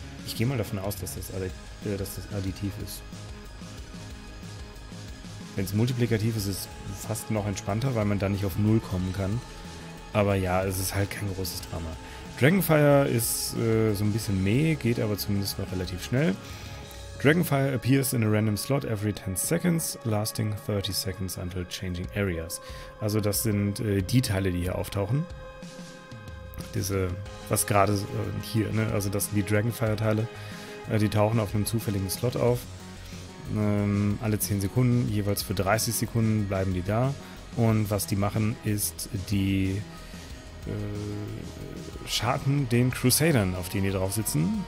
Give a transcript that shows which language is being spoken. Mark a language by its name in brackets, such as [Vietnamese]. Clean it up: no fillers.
[German] Ich gehe mal davon aus, dass das additiv ist. Wenn es multiplikativ ist, ist es fast noch entspannter, weil man da nicht auf 0 kommen kann. Aber ja, es ist halt kein großes Drama. Dragonfire ist so ein bisschen meh, geht aber zumindest noch relativ schnell. [English] Dragonfire appears in a random slot every 10 seconds, lasting 30 seconds until changing areas. [German] Also das sind die Teile, die hier auftauchen. Diese, was gerade hier, ne? Also das sind die Dragonfire-Teile, die tauchen auf einem zufälligen Slot auf. Alle 10 Sekunden, jeweils für 30 Sekunden bleiben die da. Und was die machen, ist, die schaden den Crusadern, auf denen die drauf sitzen.